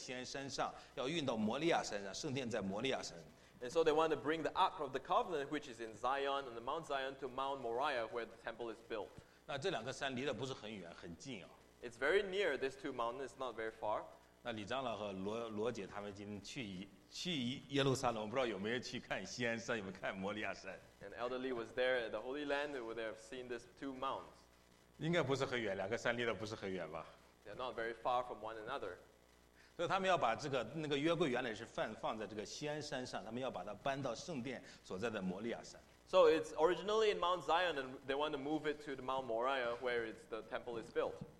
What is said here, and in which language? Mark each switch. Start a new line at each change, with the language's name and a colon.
Chinese: 而且他们要把约柜从那个大卫城，要从大卫城就是锡安，要运到大卫是在锡安，那个大卫城是在锡安山上，要运到摩利亚山上，圣殿在摩利亚山。
English: And so they want to bring the Ark of the Covenant, which is in Zion, on the Mount Zion, to Mount Moriah, where the temple is built.
Chinese: 那这两个山离得不是很远，很近啊。
English: It's very near. These two mountains, it's not very far.
Chinese: 那李长老和罗姐他们今天去耶路撒冷，我不知道有没有去看锡安山，有没有看摩利亚山。
English: An elderly was there at the Holy Land, where they have seen these two mounts.
Chinese: 应该不是很远，两个山离得不是很远吧。
English: They are not very far from one another.
Chinese: 所以他们要把这个那个约柜原来是放在这个锡安山上，他们要把它搬到圣殿所在的摩利亚山。
English: So it's originally in Mount Zion, and they want to move it to the Mount Moriah, where the temple is built.